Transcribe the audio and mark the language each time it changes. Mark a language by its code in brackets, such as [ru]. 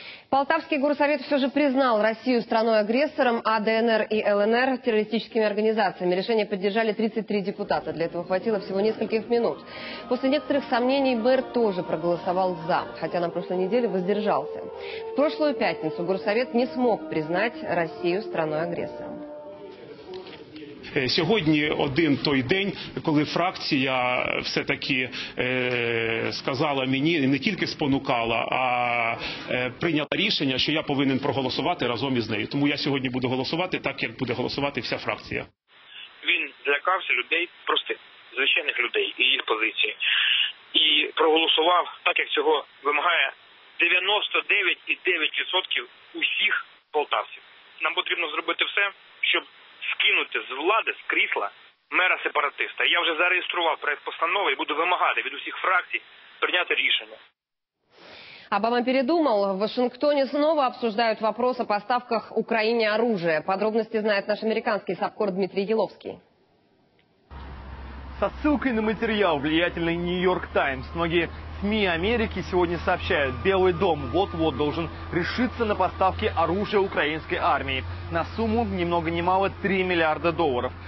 [ru] Полтавский горсовет все же признал Россию страной-агрессором, а ДНР и ЛНР – террористическими организациями. Решение поддержали 33 депутата. Для этого хватило всего нескольких минут. После некоторых сомнений мэр тоже проголосовал «за», хотя на прошлой неделе воздержался. В прошлую пятницу горсовет не смог признать Россию страной-агрессором. [uk] Сьогодні один той день, коли фракція все-таки сказала мені, не тільки спонукала, а прийняла рішення, що я повинен проголосувати разом із нею. Тому я сьогодні буду голосувати так, як буде голосувати вся фракція. Він злякався людей, простих, звичайних людей і їх позиції. І проголосував так, як цього вимагає 99,9% усіх полтавців. Нам потрібно зробити все, щоб скинути з влади, з крісла мера-сепаратиста. Я вже зареєстрував проект постанови і буду вимагати від усіх фракцій прийняти рішення. [ru] Обама передумал. В Вашингтоне снова обсуждают вопрос о поставках Украине оружия. Подробности знает наш американский сапкор Дмитрий Еловский. Со ссылкой на материал влиятельный Нью-Йорк Таймс, многие СМИ Америки сегодня сообщают, Белый дом вот-вот должен решиться на поставки оружия украинской армии на сумму ни много ни мало 3 миллиарда долларов.